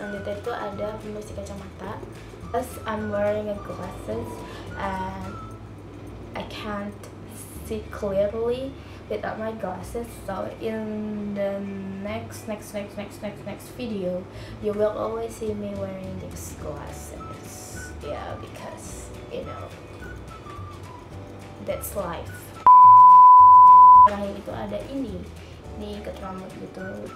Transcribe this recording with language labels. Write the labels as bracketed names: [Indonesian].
[Indonesian] Selanjutnya itu ada pembersih kacamata. [English] As I'm wearing a glasses and I can't see clearly without my glasses, so in the next video you will always see me wearing these glasses, yeah, because you know that's life. [Indonesian] Terakhir itu ada ini, ini ikat rambut gitu.